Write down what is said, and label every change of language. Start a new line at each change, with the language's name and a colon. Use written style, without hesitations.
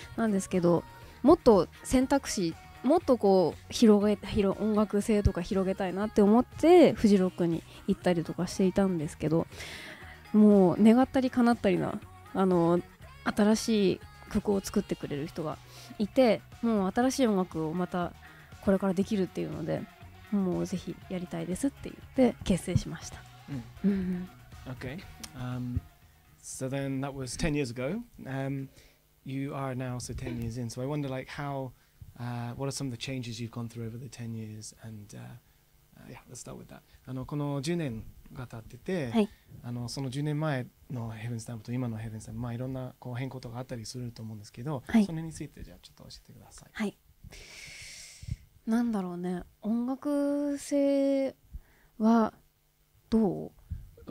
Japanese: なんですけど、もっと選択肢、もっとこう音楽性とか広げたいなって思ってフジロックに行ったりとかしていたんですけど、もう願ったり叶ったりな、新しい曲を作ってくれる人がいて、もう新しい音楽をまたこれからできるっていうので、もうぜひやりたいですって言って結成しました。
English: うん、OK、So then that was 10 years ago、You are now so 10 years in, so I wonder like how、What are some of the changes you've gone through over the 10 years and、yeah, let's start with that.
Japanese: この10年が経ってて、はい、その10年前のヘブンスタンプと今のヘブンスタンプ、まあ、いろんなこう変更とかあったりすると思うんですけど、はい、それについてじゃあちょっと教えてください。はい、なんだろうね、音楽性はどう？